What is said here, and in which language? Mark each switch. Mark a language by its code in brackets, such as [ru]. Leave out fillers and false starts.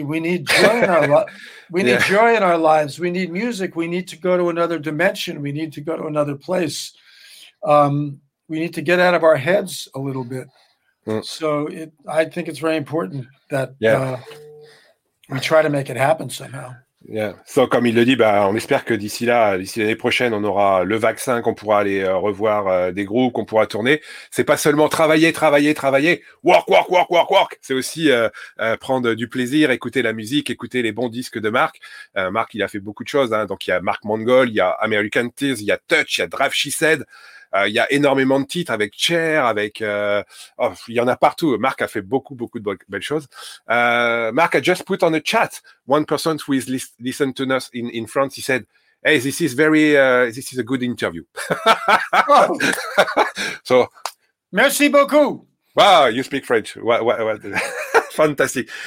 [en] We need joy in our need joy in our lives. We need music. We need to go to another dimension. We need to go to another place. We need to get out of our heads a little bit. Mm. So I think it's very important that we try to make it happen somehow. Yeah. [fr] So comme il le dit, on espère que d'ici l'année prochaine, on aura le vaccin, qu'on pourra aller revoir des groupes, qu'on pourra tourner. C'est pas seulement travailler, work, c'est aussi prendre du plaisir, écouter la musique, écouter les bons disques de Mark. Mark, il a fait beaucoup de choses, donc il y a Mark Mangold, il y a American Tears, il y a Touch, il y a Drive She Said. Il y a énormément de titres avec Cher, avec il y en a partout. Mark a fait beaucoup de belles choses. [en] Mark, I just put on the chat one person who is listened to us in France. He said, "Hey, this is very this is a good interview." So, [fr] merci beaucoup. [en] Wow, you speak French. What fantastic.